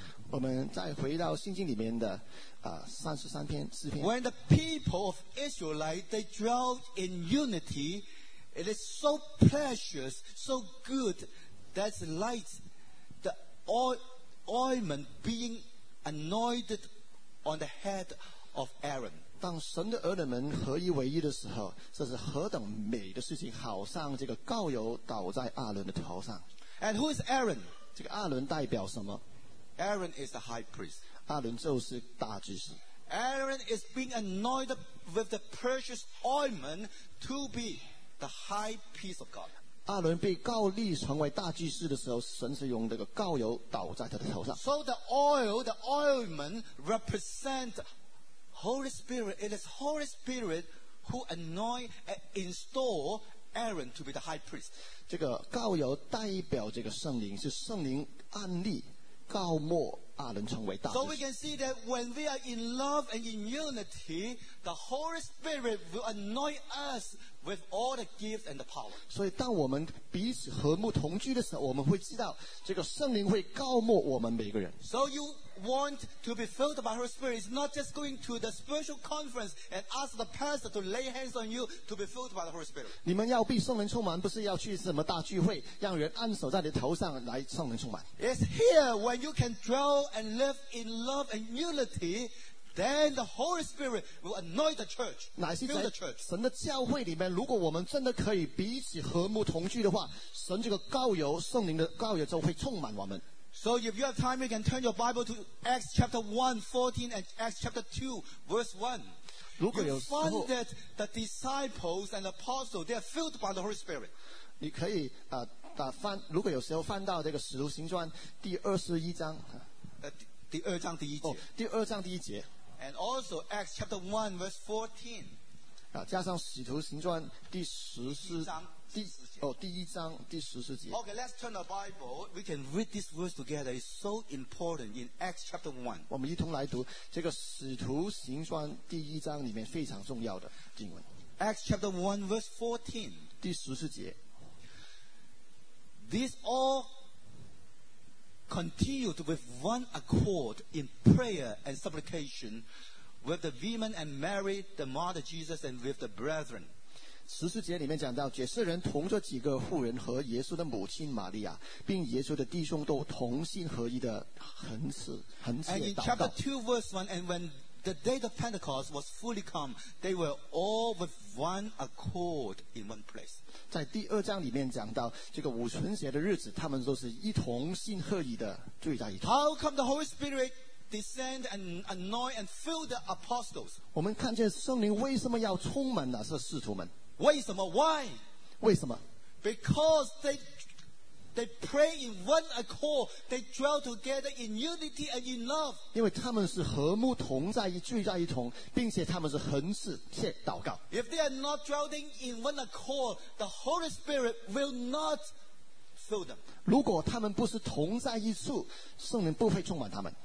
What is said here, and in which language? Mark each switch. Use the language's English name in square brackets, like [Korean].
[Chinese] 我们再回到圣经里面的33篇诗篇。 [English] When the people of Israelite, they dwell in unity, it is so precious, so good, that's like the ointment being anointed on the head of Aaron. [Chinese] 当神的儿女们合一为一的时候，这是何等美的事情，好像这个膏油倒在阿伦的头上。 [English] And who is Aaron? [Chinese] 这个阿伦代表什么？ [English] Aaron is the high priest. [Chinese] 阿伦就是大祭司。 [English] Aaron is being anointed with the precious ointment to be the high priest of God. [Chinese] 阿伦被膏立成为大祭司的时候，神是用这个膏油倒在他的头上。 [English] So the ointment representHoly Spirit, it is Holy Spirit who anoint and install Aaron to be the high priest. [Chinese] 这个膏油代表这个圣灵，是圣灵安立膏抹阿伦成为大祭司。 [English] So we can see that when we are in love and in unity, the Holy Spirit will anoint us with all the gifts and the power. [Chinese] 所以当我们彼此和睦同居的时候，我们会知道这个圣灵会膏抹我们每个人。 [English] So you want to be filled by Holy Spirit is not just going to the spiritual conference and ask the pastor to lay hands on you to be filled by the Holy Spirit. [Chinese] 你们要被圣灵充满，不是要去什么大聚会，让人按手在你头上来圣灵充满。 [English] It's here when you can dwell and live in love and unity, then the Holy Spirit will anoint the church, fill the church. [Chinese] 神的教会里面，如果我们真的可以彼此和睦同居的话，神这个膏油，圣灵的膏油就会充满我们。 [English] So if you have time, you can turn your Bible to Acts chapter 1, 14 and Acts chapter 2, verse 1. [Chinese] 如果有时候 [English] you funded the disciples and apostles, they are filled by the Holy Spirit. [Chinese] 你可以翻，如果有时候翻到这个使徒行传第21章。第二章第一节。第二章第一节。 [English] And also Acts chapter 1, verse 14. [Chinese] 加上使徒行传第十四章。第一章第十四节。 [English] Okay, let's turn the Bible. We can read this verse together. It's so important in Acts chapter 1. [Chinese] 我们一同来读这个《使徒行传》第一章里面非常重要的经文。 [English] Acts chapter 1, verse 14. [Chinese] 第十四节。 [English] These all continued with one accord in prayer and supplication with the women and Mary, the mother Jesus, and with the brethren. [Chinese] 十四节里面讲到，这些人同着几个妇人和耶稣的母亲玛利亚，并耶稣的弟兄都同心合一的恒切祷告。 [English] And in chapter 2, verse 1, and when the day of Pentecost was fully come, they were all with one accord in one place. [Chinese] 在第二章里面讲到，这个五旬节的日子，他们都是一同心合一的聚在一起。 [English] How come the Holy Spirit? Descend and anoint and fill the apostles. [Chinese] 我们看见圣灵为什么要充满那些使徒们？为什么 ？ [English] Why？ [Chinese] 为什么 [English] ？Because they pray in one accord. They dwell together in unity and in love. [Chinese] 因为他们是和睦同在一聚在一同，并且他们是恒切祷告。 [English] If they are not dwelling in one accord, the Holy Spirit will not fill them. [Chinese] 如果他们不是同在一处，圣灵不会充满他们。